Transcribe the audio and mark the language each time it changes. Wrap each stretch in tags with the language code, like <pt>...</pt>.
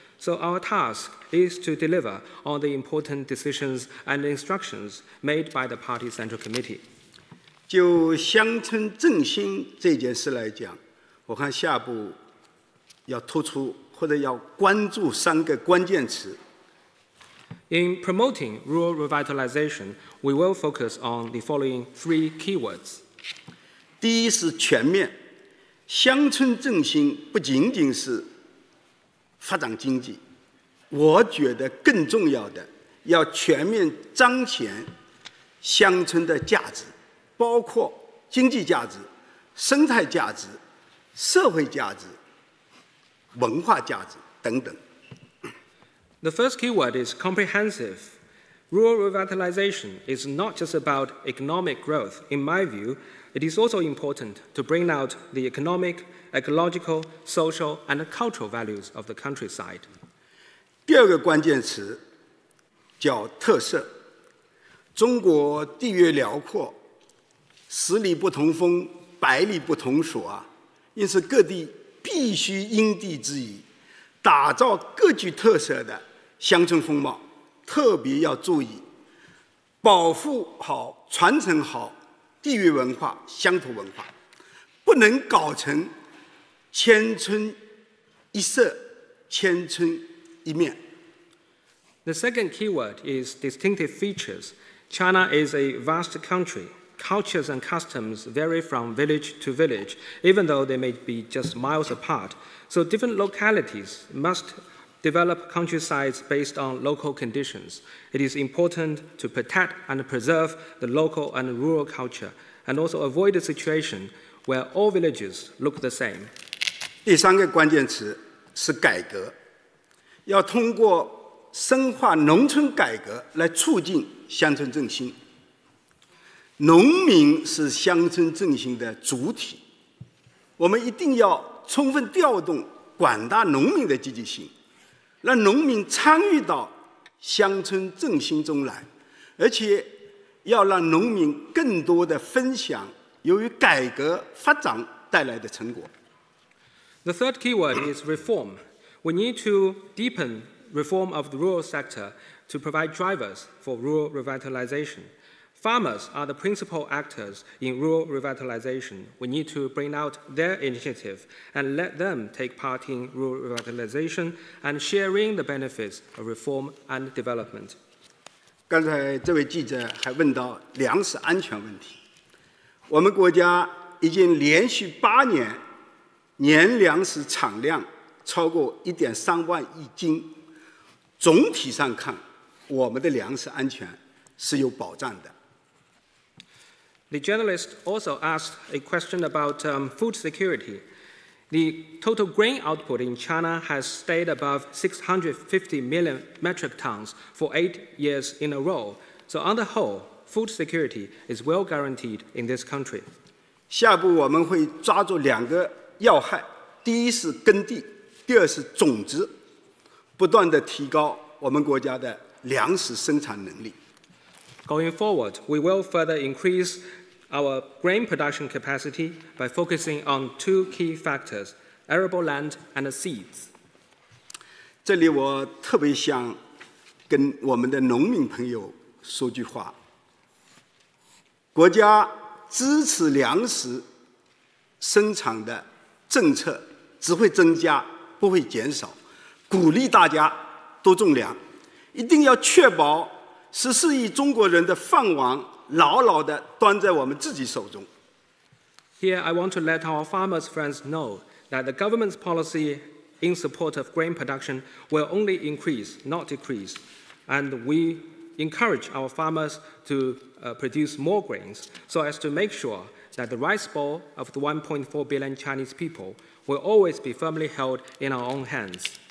<en>So our task is to deliver on the important decisions and instructions made by the Party Central Committee.</en> <zh>就乡村振兴这件事来讲，我看下一步要突出或者要关注三个关键词。</zh> <en>In promoting rural revitalization, we will focus on the following three keywords.</en> <zh>第一是全面，乡村振兴不仅仅是发展经济，我觉得更重要的要全面彰显乡村的价值，包括经济价值、生态价值、社会价值、文化价值等等。</zh> <en>The first keyword is comprehensive. Rural revitalization is not just about economic growth. In my view, it is also important to bring out the economic, ecological, social, and cultural values of the countryside.</en> <zh>第二个关键词叫特色。中国地域辽阔，十里不同风，百里不同俗啊，因此各地必须因地制宜，打造各具特色的乡村风貌，特别要注意保护好、传承好地域文化、乡土文化，不能搞成千村一色、千村一面。</zh> <en>The second keyword is distinctive features. China is a vast country. Cultures and customs vary from village to village, even though they may be just miles apart. So different localities must develop countrysides based on local conditions. It is important to protect and preserve the local and rural culture, and also avoid a situation where all villages look the same.</en> <zh>第三个关键词是改革，要通过深化农村改革来促进乡村振兴。农民是乡村振兴的主体，我们一定要充分调动广大农民的积极性，让农民参与到乡村振兴中来，而且要让农民更多的分享由于改革发展带来的成果。</zh> <en>The third keyword is reform. We need to deepen reform of the rural sector to provide drivers for rural revitalization. Farmers are the principal actors in rural revitalization. We need to bring out their initiative and let them take part in rural revitalization and sharing the benefits of reform and development.</en> <zh>刚才这位记者还问到粮食安全问题。我们国家已经连续8年年粮食产量超过1.3万亿斤。总体上看，我们的粮食安全是有保障的。</zh> <en>The journalist also asked a question about food security. The total grain output in China has stayed above 650 million metric tons for 8 years in a row. So on the whole, food security is well guaranteed in this country.</en> <zh>下一步我们会抓住两个要害，第一是耕地，第二是种植，不断地提高我们国家的粮食生产能力。</zh> <en>Going forward, we will further increase our grain production capacity by focusing on two key factors, arable land and seeds.</en> <zh>这里我特别想跟我们的农民朋友说句话。国家支持粮食生产的政策只会增加，不会减少。鼓励大家多种粮，一定要确保14亿中国人的饭碗牢牢地端在我们自己手中。</zh> <en>Here, I want to let our farmers' friends know that the government's policy in support of grain production will only increase, not decrease. And we encourage our farmers to produce more grains so as to make sure that the rice bowl of the 1.4 billion Chinese people will always be firmly held in our own hands.</en>